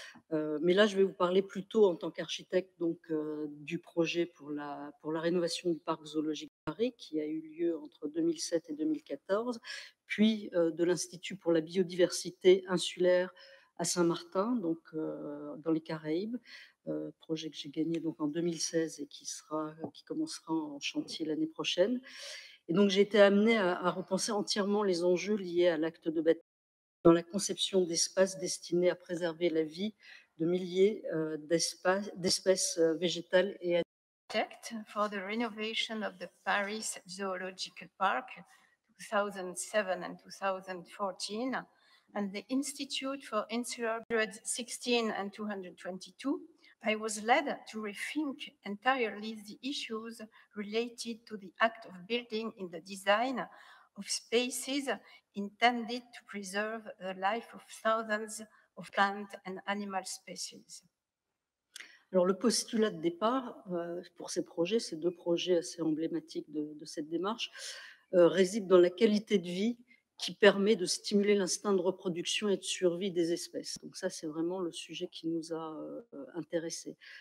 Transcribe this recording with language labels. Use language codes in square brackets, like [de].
[fr] Mais là je vais vous parler plutôt en tant qu'architecte donc du projet pour la rénovation du parc zoologique qui a eu lieu entre 2007 et 2014, puis de l'Institut pour la biodiversité insulaire à Saint-Martin, donc dans les Caraïbes, projet que j'ai gagné donc en 2016 et qui commencera en chantier l'année prochaine. Et donc j'ai été amenée à repenser entièrement les enjeux liés à l'acte de bâtiment dans la conception d'espaces destinés à préserver la vie de milliers d'espèces végétales et animales. [en] For the renovation of the Paris Zoological Park 2007 and 2014, and the Institute for Insular 16 and 222, I was led to rethink entirely the issues related to the act of building in the design of spaces intended to preserve the life of thousands of plant and animal species. [fr] Alors, le postulat de départ pour ces projets, ces deux projets assez emblématiques de cette démarche, réside dans la qualité de vie qui permet de stimuler l'instinct de reproduction et de survie des espèces. Donc ça, c'est vraiment le sujet qui nous a intéressés.